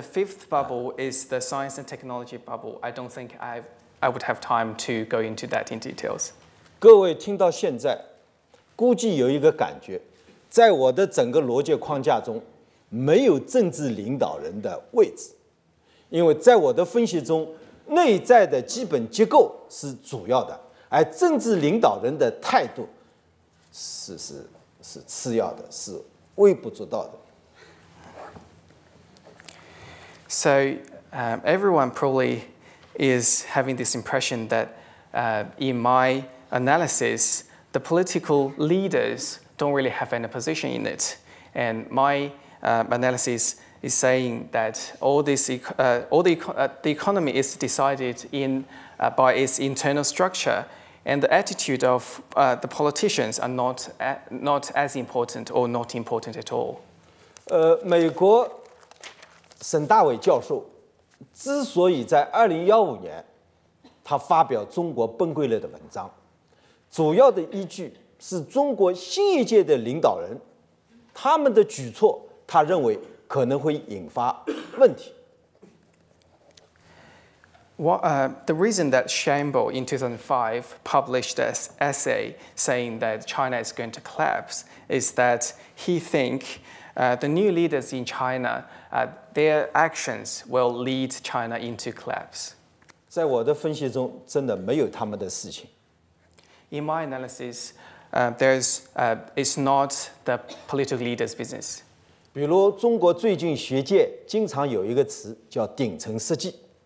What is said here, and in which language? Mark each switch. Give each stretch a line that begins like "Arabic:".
English: fifth bubble is the science and technology bubble. I don't think I would have time to go into that in details.
Chinese: 各位听到现在，估计有一个感觉，在我的整个逻辑框架中，没有政治领导人的位置，因为在我的分析中，内在的基本结构是主要的，而政治领导人的态度。
English: So everyone probably is having this impression that in my analysis, the political leaders don't really have any position in it. And my analysis is saying that the economy is decided by its internal structure. And the attitude of the politicians are not as important or not important at all.
Chinese: 美国沈大伟教授之所以在2015年他发表《中国崩溃了》的文章，主要的依据是中国新一届的领导人，他们的举措，他认为可能会引发问题。
English: The reason that Shambo in 2005 published an essay saying that China is going to collapse is that he thinks the new leaders in China, their actions will lead China into collapse.
Chinese: 在我的分析中, 真的没有他们的事情。
English: In my analysis, it's not the political leaders' business.
Chinese: 比如中国最近学界经常有一个词叫顶层设计。